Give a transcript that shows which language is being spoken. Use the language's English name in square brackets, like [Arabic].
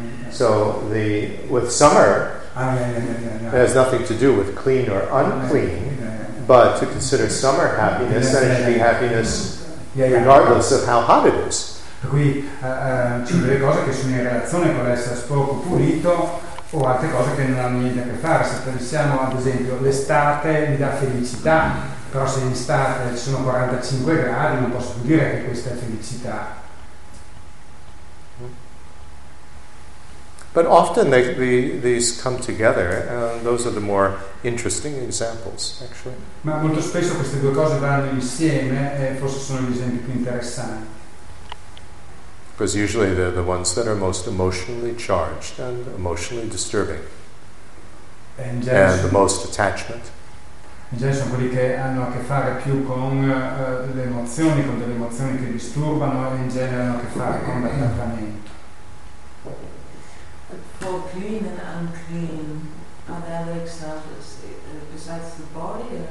[English] So the with summer, it has nothing to do with clean or unclean, but to consider summer happiness, then it should be happiness regardless of how hot it is. [Italian] Per cui ci sono delle cose che sono in relazione con l'essere sporco, pulito, o altre cose che non hanno niente a che fare. Se pensiamo ad esempio l'estate mi dà felicità, però se in estate ci sono 45 gradi non posso più dire che questa è felicità. [English] But often these come together, and those are the more interesting examples, actually. [Italian] Ma molto spesso queste due cose vanno insieme e forse sono gli esempi più interessanti. [English] Because usually they're the ones that are most emotionally charged and emotionally disturbing. And the most attachment. [Italian] In genere sono quelli che hanno a che fare più con le emozioni, con delle emozioni che disturbano, e in genere hanno a che fare con l'attaccamento. [English] For clean and unclean, are there other examples besides the body?